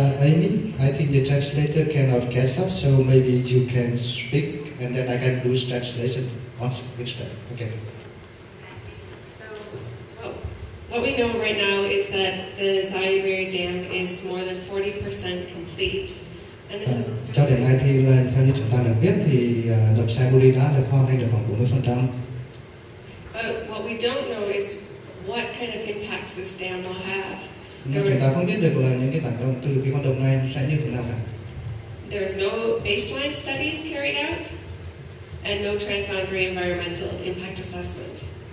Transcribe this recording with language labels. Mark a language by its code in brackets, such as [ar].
[en] Amy, I think the translator cannot catch up, so maybe you can speak and then I can do translation on each step. Okay. What we know right now is that the Zayaberry Dam is more than 40% complete. And this is... [vi] Cho đến nay thì là theo như chúng ta đã biết thì đập Zayaberry đã được hoàn thành được khoảng 40%. [en] But what we don't know is what kind of impacts this dam will have. [vi] Chúng ta không biết được là những cái tác động từ cái con đập này sẽ như thế nào cả. [en] There's no baseline studies carried out and no transboundary environmental impact assessment.